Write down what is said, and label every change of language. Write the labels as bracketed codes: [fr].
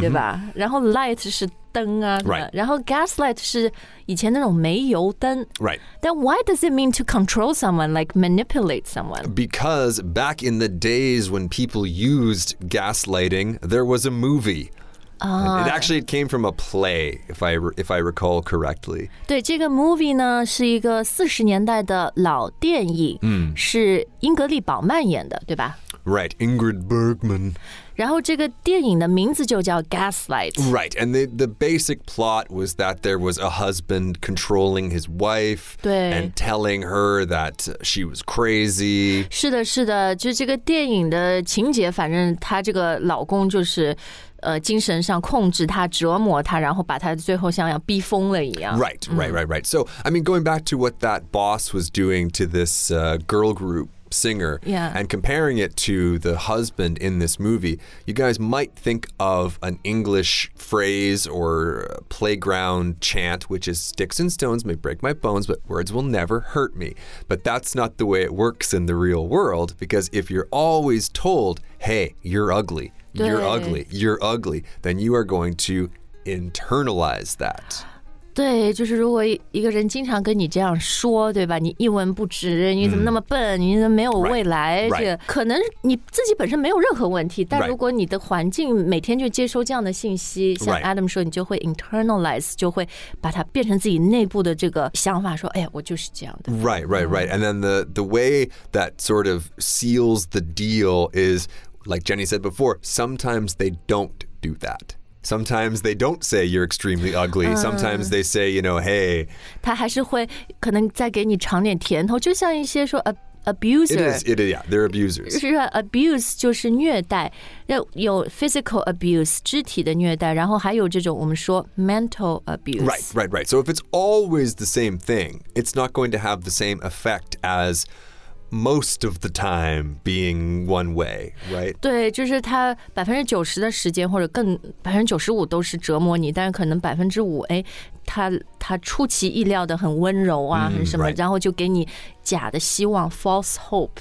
[zh] 对吧然后 light 是灯啊、 [en] right. [zh] 然后 gaslight 是以前那种煤油灯 [en] Right Then why does it mean to control someone like manipulate someone Because back in the days when people used gaslighting there was a movie It actually came from a play, if I recall correctly. [zh] 对，这个 movie 呢是一个四十年代的老电影，是英格丽宝曼演的，对吧？ [en] Right, Ingrid Bergman. [zh] 然后这个电影的名字就叫 Gaslight. [en] Right, and the basic plot was that there was a husband controlling his wife, [zh] 对， [en] and telling her that she was crazy. [zh] 是的，是的，就这个电影的情节，反正他这个老公就是。精神上控制他，折磨他，然后把他最后像要逼疯了一样。 [en] Right, right, right, right. So, I mean, going back to what that boss was doing to this girl group singer, yeah. and comparing it to the husband in this movie, you guys might think of an English phrase or playground chant, which is sticks and stones may break my bones, but words will never hurt me. But that's not the way it works in the real world, because if you're always told, hey, you're ugly,You're ugly, you're ugly. Then you are going to internalize that. [zh] 对，就是如果一个人经常跟你这样说，对吧？你一文不值，你怎么那么笨？你怎么没有未来？ [en] Right. [zh] 这可能你自己本身没有任何问题，但如果你的环境每天就接收这样的信息，像 Adam 说，你就会 internalize， 就会把它变成自己内部的这个想法，说，哎呀，我就是这样的。 [en] Right, right, right. And then the way that sort of seals the deal is. Like Jenny said before, sometimes they don't do that. Sometimes they don't say you're extremely ugly. Sometimes they say, you know, hey. [zh] 他还是会可能再给你尝点甜头，就像一些说abuser. [en] It is, yeah, they're abusers. [zh] 是啊 abuse 就是虐待，有 physical abuse, 肢体的虐待，然后还有这种我们说 mental abuse. [en] Right, right, right. So if it's always the same thing, it's not going to have the same effect as... most of the time being one way, right? [zh] 对，就是他90%的时间或者更95%都是折磨你，但是可能5%，哎，他出其意料的很温柔啊，很什么，然后就给你假的希望 ，false hope,